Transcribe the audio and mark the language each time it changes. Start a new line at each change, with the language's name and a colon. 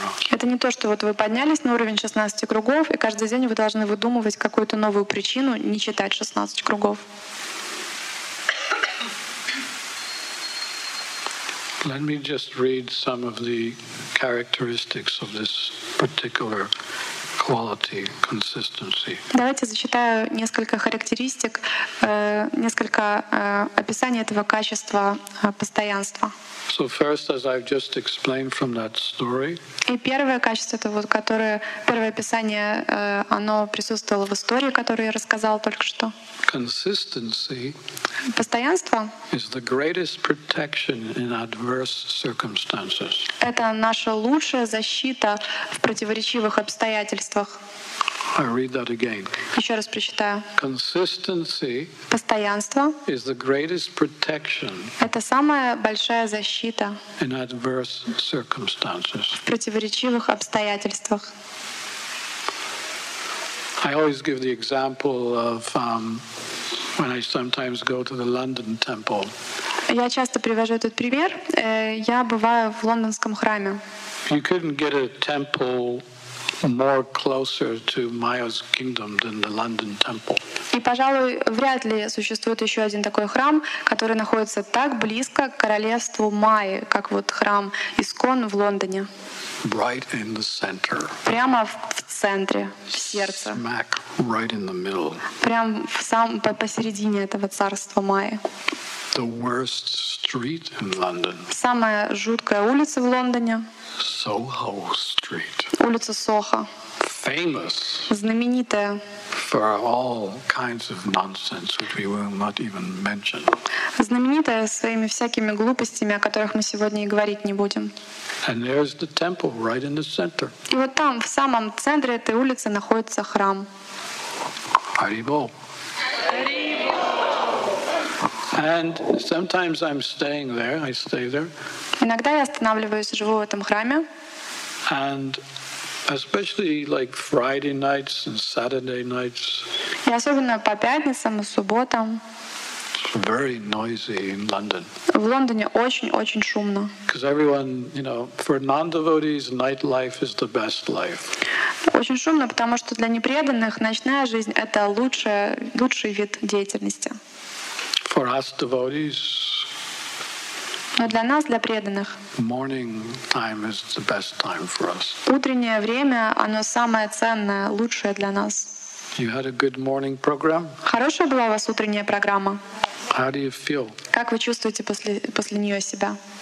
Russian: Это не то, что вот вы поднялись на уровень 16 кругов, и каждый день вы должны выдумывать какую-то новую причину не читать 16 кругов.
English: Let me just read some of the characteristics of this particular quality, consistency.
Russian: Давайте зачитаю несколько характеристик, несколько описаний этого качества постоянства.
English: So first, as I've just explained from that story.
Russian: И первое качество это вот которое первое описание, оно присутствовало в истории, которую я рассказал только что.
English: Consistency.
Russian: Постоянство.
English: Is the greatest protection in adverse circumstances.
Russian: Это наша лучшая защита в противоречивых обстоятельствах.
English: I read that again.
Russian: Еще раз прочитаю.
English: Consistency.
Russian: Постоянство.
English: Is the greatest protection.
Russian: Это самая большая защита.
English: In adverse circumstances.
Russian: В противоречивых обстоятельствах.
English: I always give the example of when I sometimes go to the London Temple.
Russian: Я часто привожу этот пример. Я бываю в лондонском храме.
English: You couldn't get a temple more closer to Maya's kingdom than the London Temple.
Russian: И, пожалуй, вряд ли существует еще один такой храм, который находится так близко к королевству Майи, как вот храм Искон в Лондоне.
English: Right in the center.
Russian: Прямо в центре, в сердце.
English: Smack right in the middle.
Russian: Прям в самом посередине этого царства Майи.
English: The worst street in London.
Russian: Самая жуткая улица в Лондоне.
English: Soho Street.
Russian: Улица Сохо.
English: Famous.
Russian: Знаменитая.
English: For all kinds of nonsense, which we will not even mention.
Russian: Знаменитая своими всякими глупостями, о которых мы сегодня и говорить не будем.
English: And there's the temple right in the center.
Russian: И вот там, в самом центре этой улицы, находится храм. Haribo.
English: And sometimes I'm staying there. I stay there.
Russian: Иногда я останавливаюсь, живу в этом храме.
English: And especially like Friday nights and Saturday nights.
Russian: И особенно по пятницам и субботам.
English: Very noisy in London.
Russian: В Лондоне очень-очень шумно.
English: Because everyone, you know, for non-devotees, nightlife is the best life.
Russian: Очень шумно, потому что для непреданных ночная жизнь — это лучший вид деятельности.
English: For us devotees,
Russian: но для нас, для преданных,
English: morning time is the best time for us.
Russian: Утреннее время, оно самое ценное, лучшее для нас.
English: You had a good morning program?
Russian: Хорошая была у вас утренняя программа?
English: How do you feel?
Russian: Как вы чувствуете после нее себя?